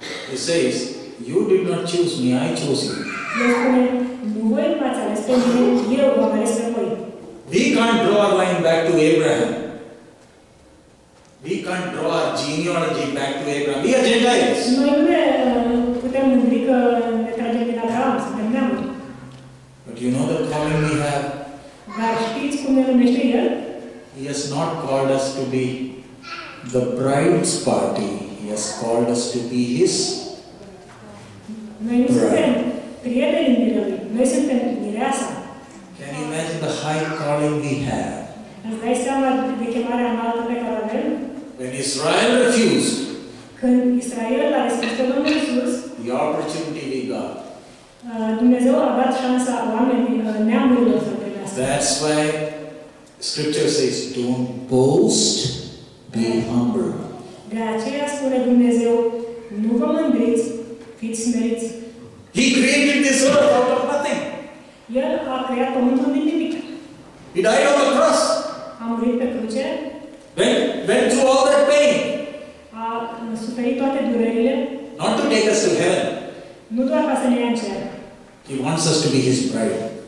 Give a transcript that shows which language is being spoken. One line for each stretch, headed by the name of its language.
English: He says, you did not choose me, I chose you.
Romanian: Eu spune, nu voi m-ați ales pe mine, eu vă ales pe voi.
English: We can't draw our line back to Abraham. We can't draw our genealogy back to Abraham. We are Gentiles.
Romanian: Noi nu putem zice că ne tragem din Abraham, suntem neamuri.
English: But you know the calling we have?
Romanian: Dar știți cum ne numește El?
English: He has not called us to be the bride's party. He has called us to be His bride.
Romanian: Noi nu suntem prietenii mirelui. Noi suntem mireasa.
English: Can you imagine the high calling we have?
Romanian: Îți dai seama de chemarea înaltă pe care o avem?
English: When Israel refused,
Romanian: când Israel a respins pe Domnul Iisus,
English: the opportunity we got,
Romanian: Dumnezeu a dat șansa oamenilor, neamurilor să primească.
English: That's why Scripture says, don't boast, be humble.
Romanian: De aceea spune Dumnezeu, nu vă mândriți, fiți smeriți.
English: He created this earth out of nothing.
Romanian: El a creat pământul din nimic.
English: He died on the cross.
Romanian: A murit pe cruce.
English: Went through all that pain.
Romanian: A suferit toate durerile.
English: Not to take us to heaven.
Romanian: Nu doar ca să ne ia în cer.
English: He wants us to be His bride.